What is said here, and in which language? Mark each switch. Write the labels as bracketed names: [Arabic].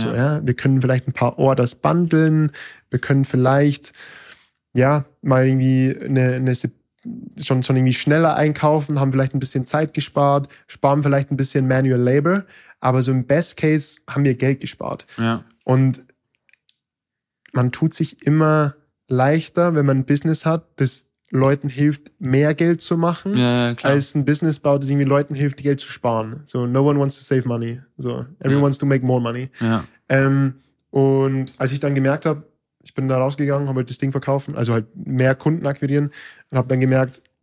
[German] So, ja, wir können vielleicht ein paar Orders bundeln, wir können vielleicht mal irgendwie schon irgendwie schneller einkaufen, haben vielleicht ein bisschen Zeit gespart, sparen vielleicht ein bisschen Manual Labor, aber so im Best Case haben wir Geld gespart. Ja. Und man tut sich immer leichter, wenn man ein Business hat, das Leuten hilft, mehr Geld zu machen, ja, als ein Business baut, das irgendwie Leuten hilft, Geld zu sparen. [English] So, no one wants to save money. So, everyone wants to make more money. [German] Ja. Und als ich dann gemerkt habe, ich bin da rausgegangen, habe halt das Ding verkaufen, also halt mehr Kunden akquirieren und habe dann gemerkt,